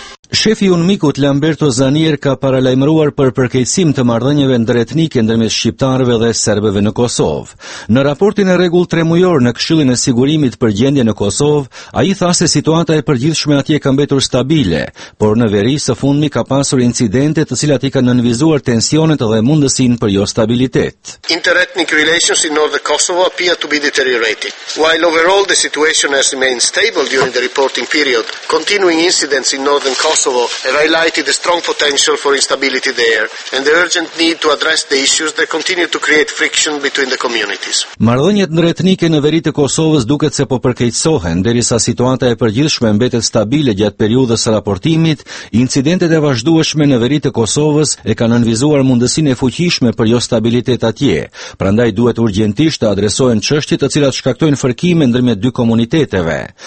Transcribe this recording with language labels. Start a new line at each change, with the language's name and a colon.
Albanian: Shefi i UNMIK-ut Lamberto Zanier ka paralajmëruar për përkeqësim të marrëdhënieve ndër-etnike ndërmjet shqiptarëve dhe serbëve në Kosovë. Në raportin e rregull tremujor në Këshillin e Sigurimit për gjendjen në Kosovë, ai tha se situata e përgjithshme atje ka mbetur stabile, por në veri së fundmi ka pasur incidente të cilat i kanë nënvizuar tensionet dhe mundësinë për jo stabilitet.
English: Inter-ethnic relations in North Kosovo appear to be deteriorating. While overall the situation has remained stable during the reporting period, continuing incidents in North Kosovo have highlighted the strong potential for instability there and the urgent need to address the issues that continue to create friction between the communities.
Albanian: Marrëdhëniet ndër-etnike në veri të Kosovës duket se po përkeqësohen, derisa situata e përgjithshme mbetet stabile gjatë periudhës së raportimit, incidentet e vazhdueshme në veri të Kosovës e kanë nënvizuar mundësinë e fuqishme për jo stabilitet atje. Prandaj duhet urgjentisht të adresohen çështjet të cilat shkaktojnë fërkime ndërmjet dy komuniteteve.